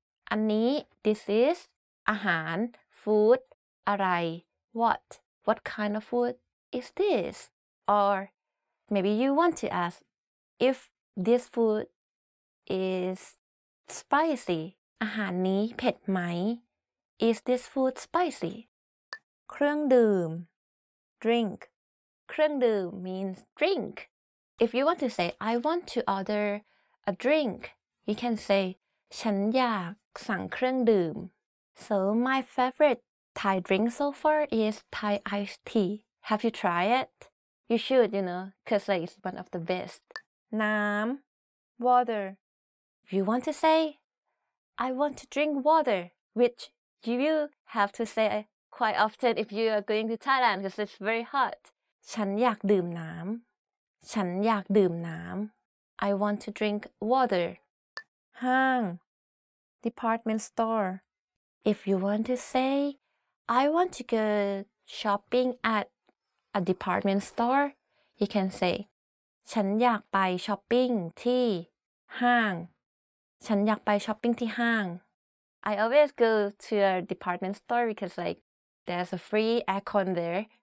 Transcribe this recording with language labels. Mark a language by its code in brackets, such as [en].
[th] อันนี้ [en] this is [th] อาหาร food อะไร? [en] What? What kind of food is this? Or maybe you want to ask, if,This food is spicy. [th] อาหารนี้เผ็ดไหม? [en] Is this food spicy? [th] เครื่องดื่ม drink. [en] เครื่องดื่ม means drink. If you want to say I want to order a drink, you can say [th] ฉันอยากสั่งเครื่องดื่ม [en] So my favorite Thai drink so far is Thai iced tea. Have you tried it? You should, you know, because it's one of the best. [th] น้ำ water [en] you want to say I want to drink water which you have to say quite often if you are going to Thailand because it's very hot [th] ฉันอยากดื่มน้ำฉันอยากดื่มน้ำ [en] I want to drink water ห้าง department store if you want to say I want to go shopping at a department store you can say [th] ฉันอยากไปช้อปปิ้งที่ห้างฉันอยากไปช้อปปิ้งที่ห้าง [en] I always go to a department store because like there's a free aircon there